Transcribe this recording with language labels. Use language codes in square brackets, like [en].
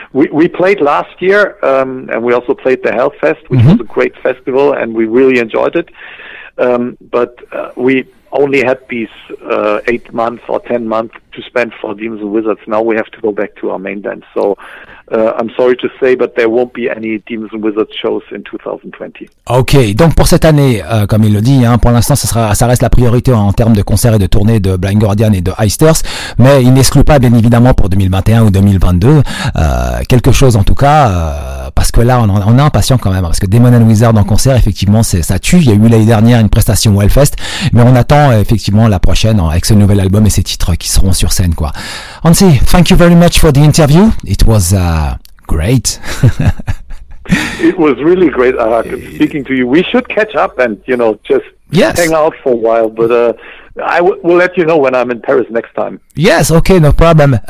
[en] We played last year, and we also played the Hellfest, which mm-hmm. was a great festival, and we really enjoyed it. But we only had these 8 months or 10 months to spend for Demons and Wizards. Now we have to go back to our main band. So I'm sorry to say, but there won't be any Demons and Wizards shows in 2020. [fr] Ok, donc pour cette année, comme il le dit, hein, pour l'instant, ça reste la priorité en termes de concerts et de tournées de Blind Guardian et de Iced Earth, mais il n'exclut pas, bien évidemment, pour 2021 ou 2022, quelque chose en tout cas, parce que là, on est impatient quand même, parce que Demon and Wizard en concert, effectivement, ça tue. Il y a eu l'année dernière une prestation Hellfest, mais on attend effectivement la prochaine avec ce nouvel album et ses titres qui seront sur scène, quoi. [en] Ansi, thank you very much for the interview. It was great. It was really great, Arak, speaking to you. We should catch up and, you know, just hang out for a while, but I will let you know when I'm in Paris next time. Yes, okay, no problem.